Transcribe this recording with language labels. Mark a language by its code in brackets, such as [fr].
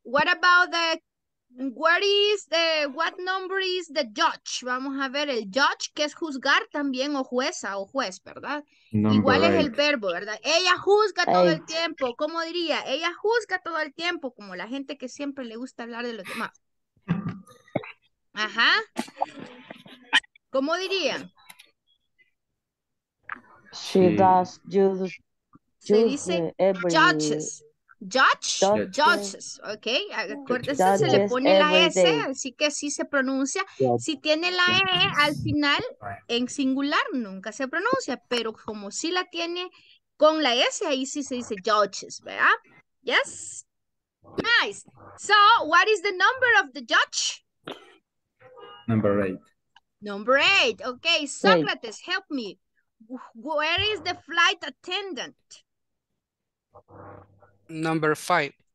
[en] What about the, what number is the judge? [es] Vamos a ver el judge, que es juzgar también, o jueza, o juez, ¿verdad? Igual es el verbo, ¿verdad? Ella juzga todo el tiempo, ¿cómo diría? Ella juzga todo el tiempo, como la gente que siempre le gusta hablar de los demás. Ajá. ¿Cómo diría? [en] She does judge. [es] Se dice [en] every... judges. Judge. Judges. Ok. [es] Acuérdese, se le pone la S, day. Así que sí se pronuncia. Judge. Si tiene la E al final, en singular, nunca se pronuncia. Pero como sí la tiene con la S, ahí sí se dice judges, ¿verdad? [en] Yes. Nice. So, what is the number of the judge? Number 8. Okay, Socrates, eight. Help me. Where is the flight attendant? Number 5.